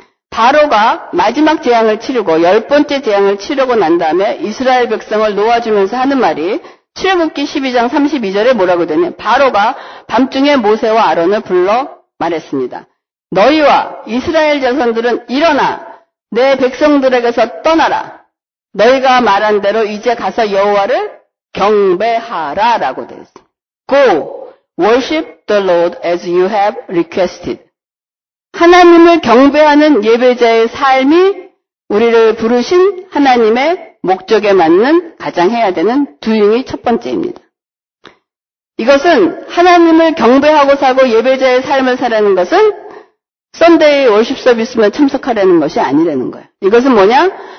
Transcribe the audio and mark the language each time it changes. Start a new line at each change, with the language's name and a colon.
Korean: 바로가 마지막 재앙을 치르고 열 번째 재앙을 치르고 난 다음에 이스라엘 백성을 놓아주면서 하는 말이 출애굽기 12장 32절에 뭐라고 되냐? 바로가 밤중에 모세와 아론을 불러 말했습니다. 너희와 이스라엘 자손들은 일어나 내 백성들에게서 떠나라. 너희가 말한 대로 이제 가서 여호와를 경배하라 라고 되어 있습니다.
English: Go, worship the Lord as you have requested.
Korean: 하나님을 경배하는 예배자의 삶이 우리를 부르신 하나님의 목적에 맞는 가장 해야 되는 두잉이 첫 번째입니다. 이것은 하나님을 경배하고 사고 예배자의 삶을 사라는 것은 썬데이 워십 서비스만 참석하라는 것이 아니라는 거예요. 이것은 뭐냐?